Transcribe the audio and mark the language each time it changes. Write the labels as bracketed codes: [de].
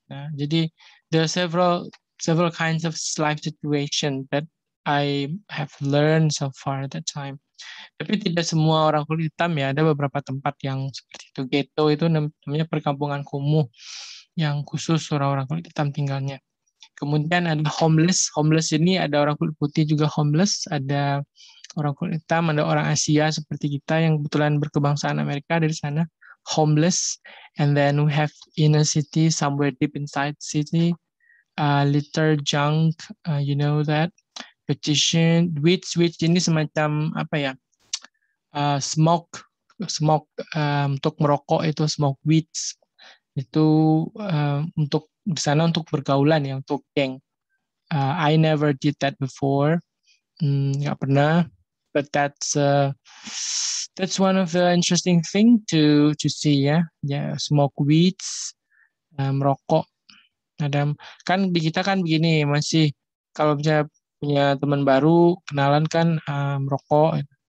[id] Nah, jadi [en] there are several kinds of life situation that I have learned so far at that time. [id] Tapi tidak semua orang kulit hitam ya, ada beberapa tempat yang seperti itu. Ghetto itu namanya perkampungan kumuh yang khusus orang-orang kulit hitam tinggalnya. Kemudian ada homeless. Homeless ini ada orang kulit putih juga homeless. Ada orang kulit hitam, ada orang Asia seperti kita yang kebetulan berkebangsaan Amerika dari sana. Homeless. [en] And then we have inner city, somewhere deep inside city. Litter, junk, you know that. Petition, which [id] ini semacam apa ya? Smoke, untuk merokok itu [en] smoke weeds. [id] Itu untuk di sana untuk pergaulan ya, untuk geng. [en] I never did that before. [id] Gak pernah. [en] But that's one of the interesting thing to see ya. Yeah, smoke weeds, [id] merokok. Kan di kita kan begini, masih kalau misalnya punya teman baru, kenalan kan merokok.